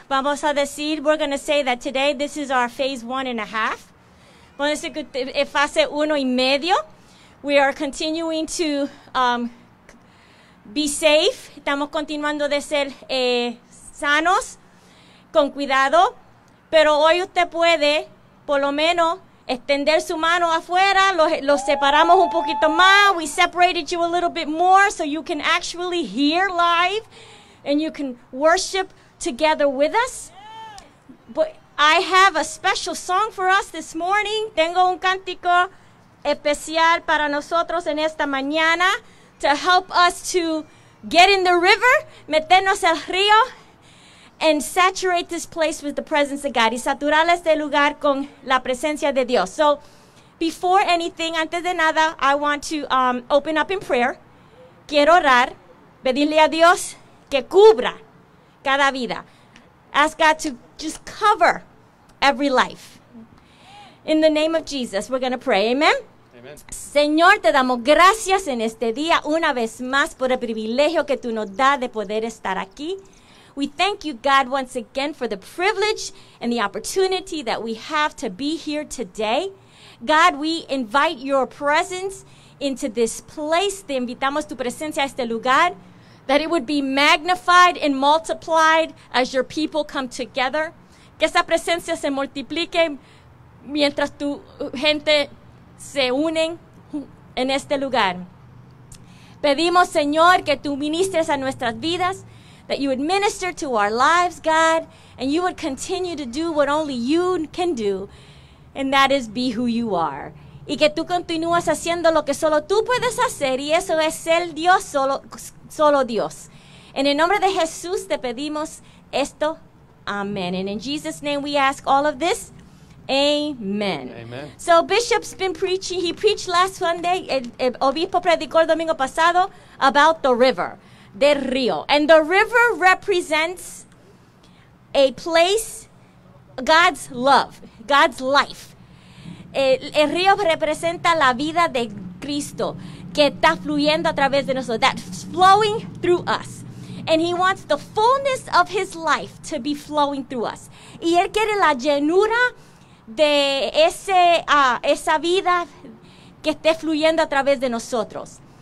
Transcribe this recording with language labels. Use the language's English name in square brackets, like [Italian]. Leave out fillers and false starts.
[Spanish] Vamos a decir, [English] we're going to say that today this is our phase one and a half. [Spanish] Vamos a decir que es fase uno y medio. [English] We are continuing to be safe. [Spanish] Estamos continuando de ser sanos, con cuidado. Pero hoy usted puede, por lo menos, extender su mano afuera. Los separamos un poquito más. [English] We separated you a little bit more so you can actually hear live and you can worship together with us. But I have a special song for us this morning. [Spanish] Tengo un cántico especial para nosotros en esta mañana [English] to help us to get in the river, [Spanish] meternos al río, [English] and saturate this place with the presence of God, [Spanish] y saturar este lugar con la presencia de Dios. [English] So, before anything, [Spanish] antes de nada, [English] I want to open up in prayer. [Spanish] Quiero orar, pedirle a Dios que cubra cada vida. [English] Ask God to just cover every life. In the name of Jesus, we're going to pray. Amen. [Spanish] Señor, te damos gracias en este día una vez más por el privilegio que tú nos das de poder estar aquí. [English] We thank you, God, once again for the privilege and the opportunity that we have to be here today. God, we invite your presence into this place. [Spanish] Te invitamos tu presencia a este lugar, [English] that it would be magnified and multiplied as your people come together. [Spanish] Que esa presencia se multiplique mientras tu gente se unen en este lugar. Pedimos, Señor, que tú ministres a nuestras vidas, [English] that you would minister to our lives, God, and you would continue to do what only you can do, and that is be who you are. [Spanish] Y que tú continúas haciendo lo que solo tú puedes hacer, y eso es ser Dios, solo Dios. En el nombre de Jesús te pedimos esto. Amen. [English] And in Jesus' name we ask all of this. Amen. Amen. So Bishop's been preaching. He preached last Sunday. [Spanish] El obispo predicó el domingo pasado [English] about the river, [Spanish] del río. [English] And the river represents a place, God's love, God's life. [Spanish] El río representa la vida de Cristo que está fluyendo a través de nosotros. [English] That's flowing through us. And he wants the fullness of his life to be flowing through us. [Spanish] Y él quiere la llenura de esa vida que esté fluyendo a través de nosotros.